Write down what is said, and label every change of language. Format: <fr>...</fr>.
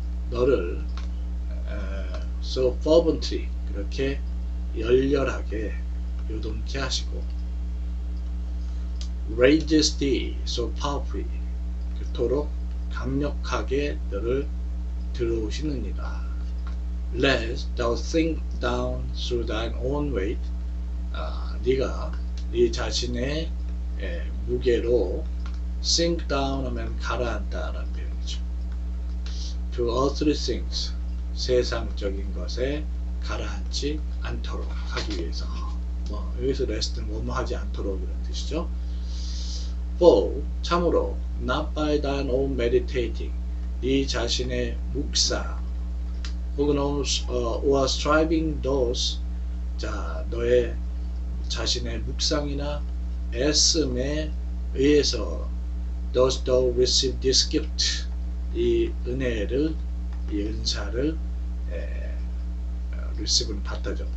<ko>너를</ko> <en>so fervently</en> <ko>그렇게 열렬하게 요동케 하시고</ko> <en>raises thee so powerfully.</en> <ko>그토록 강력하게 너를 들어오시느니라.</ko> <en>Lest thou sink down through thine own weight.</en> <ko>네가 네 자신의 무게로</ko> <en>sink down</en> <ko>하면 가라앉다라는 표현이죠.</ko> <en>To earthly things,</en> <ko>세상적인 것에 가라앉지 않도록 하기 위해서. 뭐 여기서 rest는 원무하지 않도록 이런 뜻이죠. For 참으로</ko> <en>not by thine own meditating,</en> <ko>네 자신의 묵상 혹은</ko> <en>or striving those,</en> <ko>자 너의 자신의 묵상이나 애씀에 의해서</ko> <en>dost thou receive this gift,</en> <ko>이 은혜를, 이 은사를 receive는 받다죠.</ko>